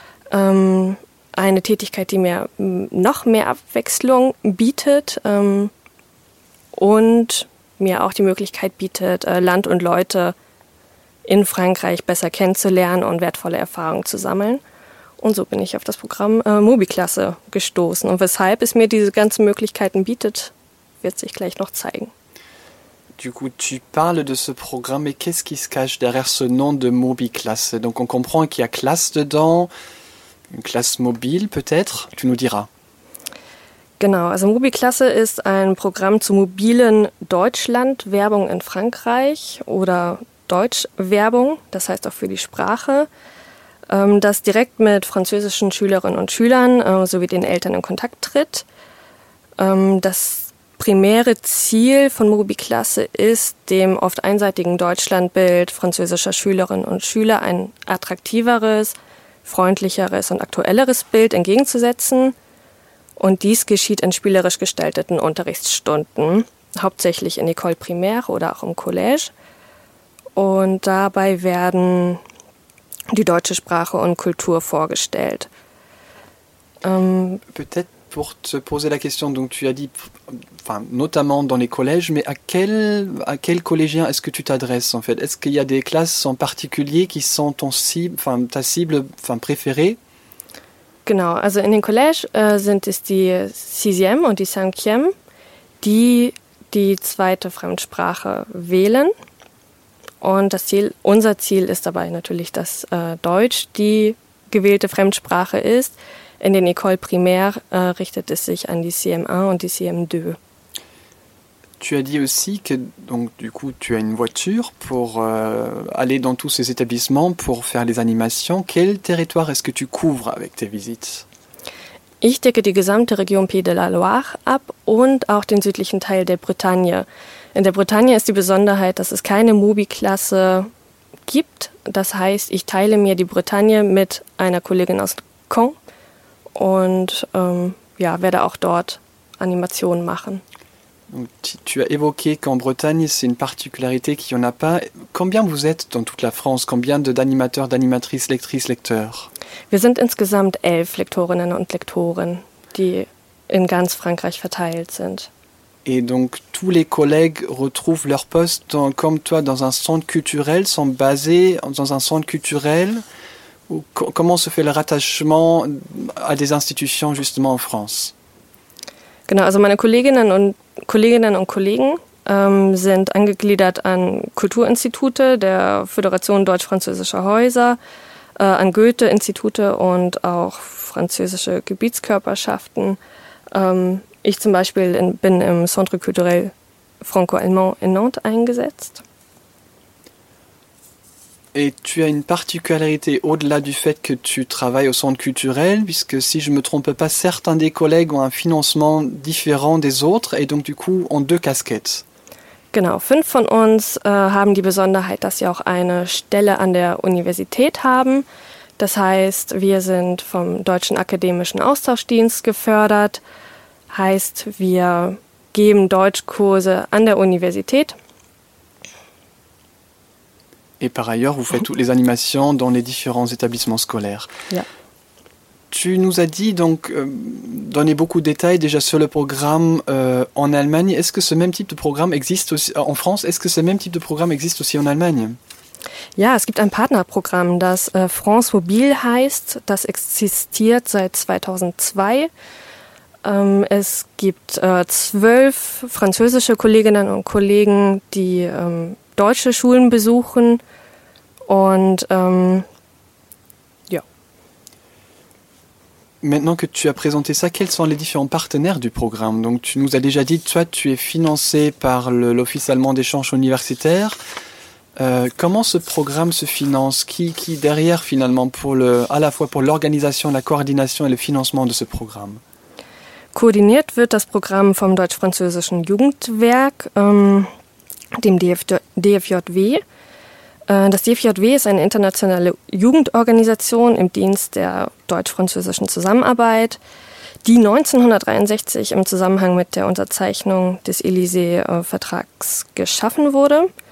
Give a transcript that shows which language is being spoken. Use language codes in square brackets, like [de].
[de] Eine Tätigkeit, die mir noch mehr Abwechslung bietet und mir auch die Möglichkeit bietet, Land und Leute in Frankreich besser kennenzulernen und wertvolle Erfahrungen zu sammeln. Und so bin ich auf das Programm MobiClass gestoßen. Und weshalb es mir diese ganzen Möglichkeiten bietet, wird sich gleich noch zeigen. [fr] Du coup, tu parles de ce programme, mais qu'est-ce qui se cache derrière ce nom de MobiClass? Donc on comprend qu'il y a classe dedans. Une classe mobile peut-être, tu nous diras. [de] Genau, also MobiClass ist ein Programm zu mobilen Deutschland-Werbung in Frankreich oder Deutsch-Werbung, das heißt auch für die Sprache, das direkt mit französischen Schülerinnen und Schülern sowie den Eltern in Kontakt tritt. Das primäre Ziel von MobiClass ist, dem oft einseitigen Deutschlandbild französischer Schülerinnen und Schüler ein attraktiveres, freundlicheres und aktuelleres Bild entgegenzusetzen. Und dies geschieht in spielerisch gestalteten Unterrichtsstunden, hauptsächlich in École Primaire oder auch im Collège. Und dabei werden die deutsche Sprache und Kultur vorgestellt. [fr] Peut-être pour te poser la question, donc tu as dit, enfin, notamment dans les collèges, mais à quel collégien est-ce que tu t'adresses en fait? Est-ce qu'il y a des classes en particulier qui sont ta cible préférée? [de] Genau, also in den collèges sind es die 6e und die 5e, die zweite Fremdsprache wählen. Und das Ziel, unser Ziel ist dabei natürlich, dass Deutsch die gewählte Fremdsprache ist. In den École Primaire richtet es sich an die CM1 und die CM2. [fr] Tu as dit aussi que donc du coup tu as une voiture pour aller dans tous ces établissements pour faire les animations. Quel territoire est-ce que tu couvres avec tes visites? [de] Ich decke die gesamte Region Pays de la Loire ab und auch den südlichen Teil der Bretagne. In der Bretagne ist die Besonderheit, dass es keine MobiClasse gibt. Das heißt, ich teile mir die Bretagne mit einer Kollegin aus Caen und werde auch dort Animationen machen. [fr] Tu as évoqué qu'en Bretagne, c'est une particularité qu'il n'y en a pas. Combien vous êtes dans toute la France? Combien d'animateurs, d'animatrices, lectrices, lecteurs? [de] Wir sind insgesamt 11 Lektorinnen und Lektoren, die in ganz Frankreich verteilt sind. [fr] Et donc tous les collègues retrouvent leur poste comme toi dans un centre culturel, sont basés dans un centre culturel. Comment se fait le rattachement à des institutions justement en France? [de] Genau, also meine Kolleginnen und Kollegen sind angegliedert an Kulturinstitute der Föderation deutsch-französischer Häuser, an Goethe-Institute und auch französische Gebietskörperschaften. Ich zum Beispiel bin im Centre culturel franco-allemand in Nantes eingesetzt. [fr] Et tu as une particularité au-delà du fait que tu travailles au centre culturel, puisque si je ne me trompe pas, certains des collègues ont un financement différent des autres et donc du coup ont deux casquettes. [de] Genau, fünf von uns haben die Besonderheit, dass sie auch eine Stelle an der Universität haben. Das heißt, wir sind vom Deutschen Akademischen Austauschdienst gefördert. Heißt, wir geben Deutschkurse an der Universität. [fr] Et par ailleurs, vous faites toutes les animations dans les différents établissements scolaires. [de] Ja. [fr] Tu nous as dit, donc, donner beaucoup de détails déjà sur le programme en Allemagne. Est-ce que ce même type de programme existe aussi en France? Est-ce que ce même type de programme existe aussi en Allemagne? [de] Ja, es gibt ein Partnerprogramm, das France Mobile heißt. Das existiert seit 2002. Es gibt 12 französische Kolleginnen und Kollegen, die deutsche Schulen besuchen. Und [fr] Maintenant que tu as présenté ça, quels sont les différents partenaires du programme? Donc tu nous as déjà dit, toi tu es financé par l'Office allemand d'échange universitaire. Comment ce programme se finance? Qui derrière finalement à la fois pour l'organisation, la coordination et le financement de ce programme? [de] Koordiniert wird das Programm vom Deutsch-Französischen Jugendwerk, dem DFJW. Das DFJW ist eine internationale Jugendorganisation im Dienst der deutsch-französischen Zusammenarbeit, die 1963 im Zusammenhang mit der Unterzeichnung des Élysée-Vertrags geschaffen wurde.